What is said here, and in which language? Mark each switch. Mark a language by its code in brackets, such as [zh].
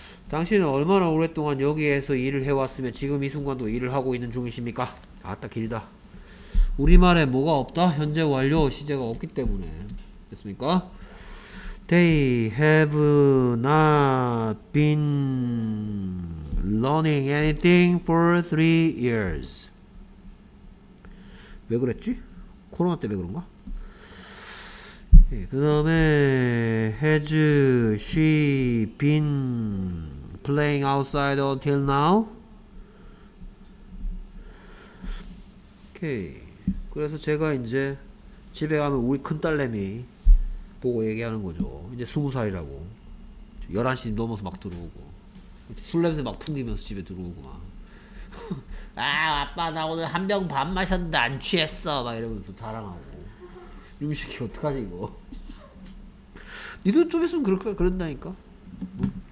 [ko] 당신은 얼마나 오랫동안 여기에서 일을 해왔으며 지금 이 순간도 일을 하고 있는 중이십니까? 아따 길다. 우리말에 뭐가 없다? 현재 완료 시제가 없기 때문에 됐습니까? [en] They have not been learning anything for 3 years. [ko] 왜 그랬지? 코로나 때문에 그런가? 그 다음에 [en] Has she been playing outside until now? [ko] 오케이. 그래서 제가 이제 집에 가면 우리 큰딸내미 보고 얘기하는 거죠. 이제 20살이라고 11시 넘어서 막 들어오고 술 냄새 막 풍기면서 집에 들어오고 막 아 아빠 나 오늘 한 병 반 마셨는데 안 취했어 막 이러면서 자랑하고 유미식이 어떡하지 이거 니도 좀 있으면 그런다니까 뭐?